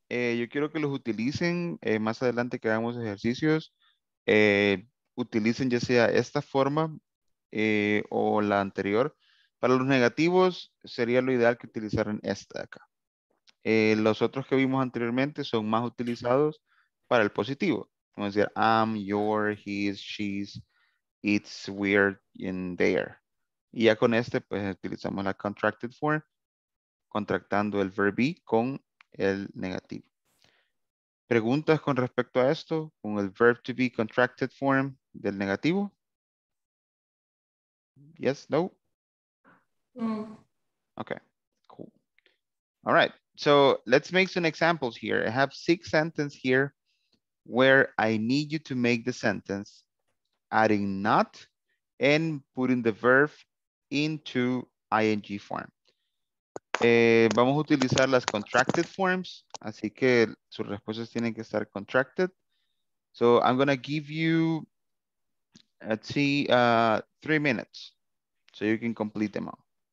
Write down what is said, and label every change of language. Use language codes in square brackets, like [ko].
[es] Yo quiero que los utilicen más adelante que hagamos ejercicios. Utilicen ya sea esta forma o la anterior. Para los negativos sería lo ideal que utilizaran esta de acá. Los otros que vimos anteriormente son más utilizados para el positivo. Vamos a decir [en] I'm, your, his, she's, it's, we're, and they're. [es] Y ya con este pues utilizamos la contracted form, contractando el verb be con el negativo. ¿Preguntas con respecto a esto? ¿Con el verb to be contracted form del negativo? [en] Yes, no? No. Okay, cool. All right, so let's make some examples here. I have 6 sentences here where I need you to make the sentence adding not and putting the verb into ing form. [es] Vamos a utilizar las contracted forms, así que sus respuestas tienen que estar contracted. [en] So I'm gonna give you, let's see, 3 minutes so you can complete them all.